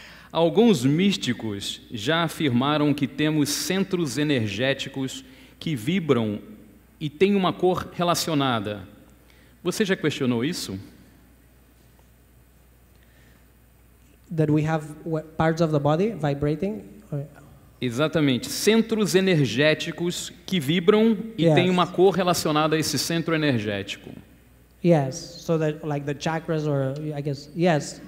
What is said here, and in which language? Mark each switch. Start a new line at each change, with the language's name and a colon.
Portuguese: Alguns místicos já afirmaram que temos centros energéticos que vibram e têm uma cor relacionada. Você já questionou isso?
English: That we have parts of the body vibrating? Or...
Portuguese: Exatamente. Centros energéticos que vibram e
English: yes.
Portuguese: têm uma cor relacionada a esse centro energético.
English: Yes, so that like the chakras or I guess yes.